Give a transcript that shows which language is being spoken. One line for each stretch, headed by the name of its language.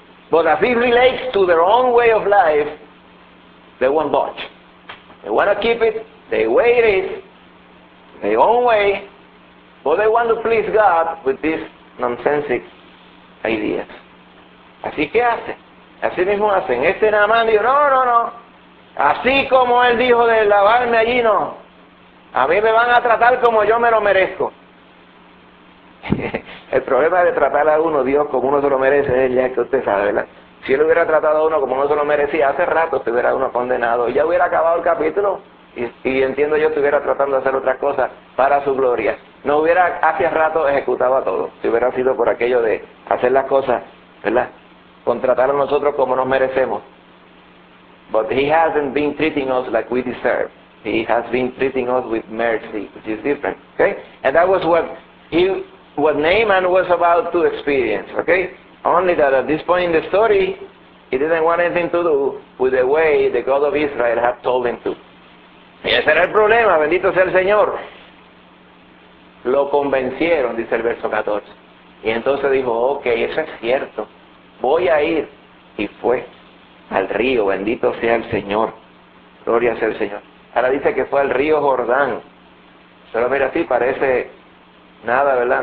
English: But as it relates to their own way of life, they won't budge. They want to keep it the way it is, their own way, but they want to please God with these nonsensical ideas.
Spanish: Así que hacen, así mismo hacen. Este Naamán dijo, no. Así como él dijo de lavarme allí, no. A mí me van a tratar como yo me lo merezco. El problema de tratar a uno Dios como uno se lo merece es ya que usted sabe, ¿verdad? Si él hubiera tratado a uno como uno se lo merecía, hace rato se hubiera uno condenado. Ya hubiera acabado el capítulo y entiendo yo estuviera tratando de hacer otras cosas para su gloria. No hubiera hace rato ejecutado a todo. Si hubiera sido por aquello de hacer las cosas, ¿verdad? Contratar a nosotros como nos merecemos.
English: But he hasn't been treating us like we deserve. He has been treating us with mercy, which is different. Okay? And that was what Naaman was about to experience. Okay? Only that at this point in the story, he didn't want anything to do with the way the God of Israel had told him to.
Spanish: Y ese era el problema, bendito sea el Señor. Lo convencieron, dice el verso 14. Y entonces dijo, ok, eso es cierto. Voy a ir. Y fue al río, bendito sea el Señor. Gloria sea el Señor. Ahora dice que fue al río Jordán. Pero mira, sí, parece nada, ¿verdad?